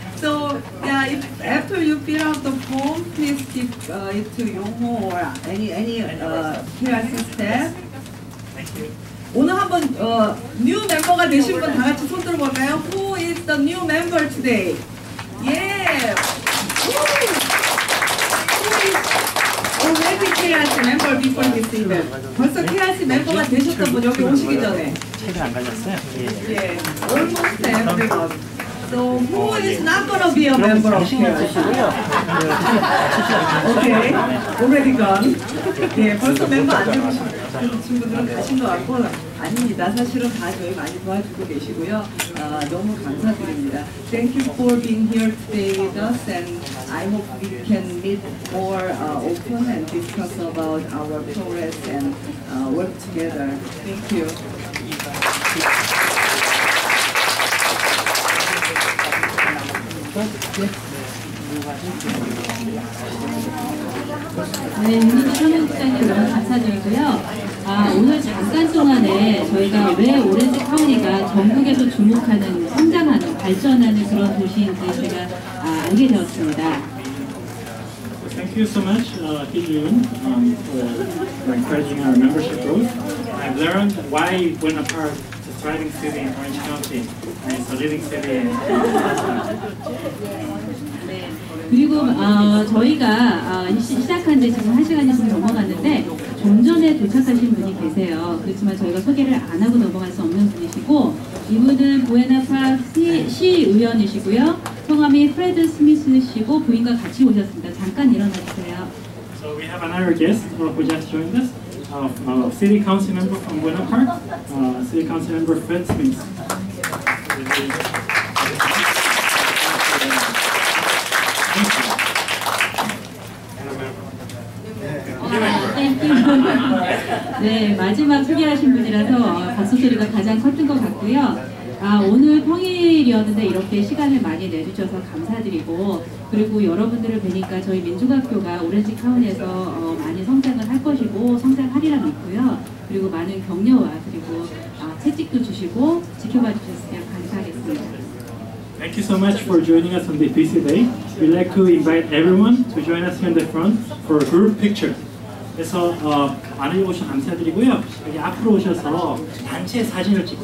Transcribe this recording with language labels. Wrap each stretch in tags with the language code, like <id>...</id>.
<en>So yeah, if after you fill out the form, please give it to Yongho or any care staff. Thank you.</en> <ko>오늘 한번</ko> <en>new member</en> <ko>가 되신 분 다 같이 손 들어볼까요?</ko> <en>Who is the new member today? Yeah. Who is already KRC member before this event?</en> <ko>벌써 KRC 멤버가 되셨던 분 여기 오시기 전에 책을 안 가졌어요.</ko> <en>예. Almost everyone. So who is not gonna be a member of KRC? Okay. Already gone.</en> <ko>예, 벌써 멤버 안 되고 계신 분들은 가신 것 같고. 아닙니다. 사실은 다 저희 많이 도와주고 계시고요. 너무 감사드립니다.</ko> <en>Thank you for being here today with us and I hope we can meet more open and discuss about our progress and work together. Thank you.</en> <ko>네, 오늘 참여 국장님 너무 감사드리고요. 오늘 잠깐 동안에 저희가 왜 오렌지 카운티가 전국에서 주목하는 성장하는 발전하는 그런 도시인지 제가 알게 되었습니다.</ko> <en>Thank you so much, Hee-jun, for encouraging our membership growth. I've learned why we're not part of the thriving city in Orange County and the leading city in Orange County.</en> <ko>그리고 저희가 시작한 지 지금 한 시간이 좀 넘어갔는데 좀 전에 도착하신 분이 계세요. 그렇지만 저희가 소개를 안 하고 넘어갈 수 없는 분이시고 이분은 보헤나파 시의원이시고요. 성함이 프레드 스미스시고 부인과 같이 오셨습니다. 잠깐 일어나주세요.</ko> <en>So we have another guest who just joined us. City Council Member from Buenapark. City Council Member Fred Smith.</en> <ko>네, 마지막 소개하신 분이라서 박수 소리가 가장 컸던 것 같고요. 오늘 평일이었는데 이렇게 시간을 많이 내주셔서 감사드리고 그리고 여러분들을 뵈니까 저희 민주학교가 오렌지 카운티에서 많이 성장을 할 것이고 성장하리라 믿고요. 그리고 많은 격려와 그리고 채찍도 주시고 지켜봐 주셨으면 감사하겠습니다.</ko> <en>Thank you so much for joining us on the busy day. We'd like to invite everyone to join us here in the front for a group picture.</en> <ko>그래서 안 오셔서 감사드리고요. 여기 앞으로 오셔서 단체 사진을 찍고</ko>